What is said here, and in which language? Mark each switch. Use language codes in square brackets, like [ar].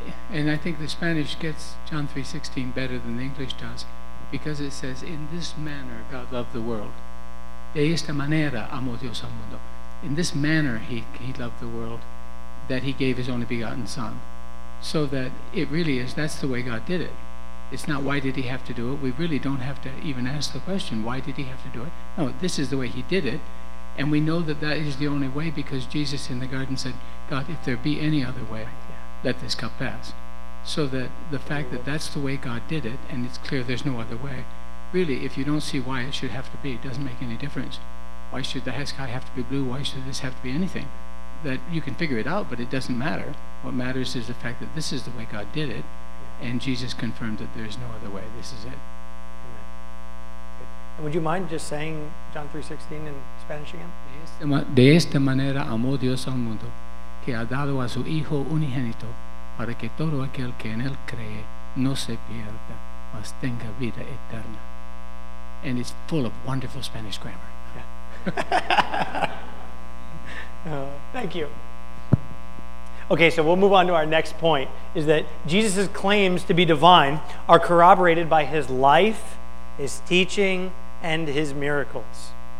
[en] And I think the Spanish gets John 3:16 better than the English does, because it says, in this manner God loved the world. [es] De esta manera amó Dios al mundo. [en] In this manner he loved the world, that he gave his only begotten Son. So that it really is, that's the way God did it. It's not, why did he have to do it? We really don't have to even ask the question, why did he have to do it? No, this is the way he did it. And we know that that is the only way, because Jesus in the garden said, God, if there be any other way, let this cup pass. So that the fact that that's the way God did it, and it's clear there's no other way, really, if you don't see why it should have to be, it doesn't make any difference. Why should the sky have to be blue? Why should this have to be anything? that you can figure it out, but it doesn't matter. What matters is the fact that this is the way God did it, and Jesus confirmed that there is no other way. This is it. And would you mind just saying John 3:16 in Spanish again? [es] De esta manera amó Dios al mundo, que ha dado a su Hijo unigénito, para que todo aquel que en él cree no se pierda, mas tenga vida eterna. [en] And it's full of wonderful Spanish grammar. Yeah. thank you. Okay, so we'll move on to our next point, is that Jesus' claims to be divine are corroborated by his life, his teaching, and his miracles.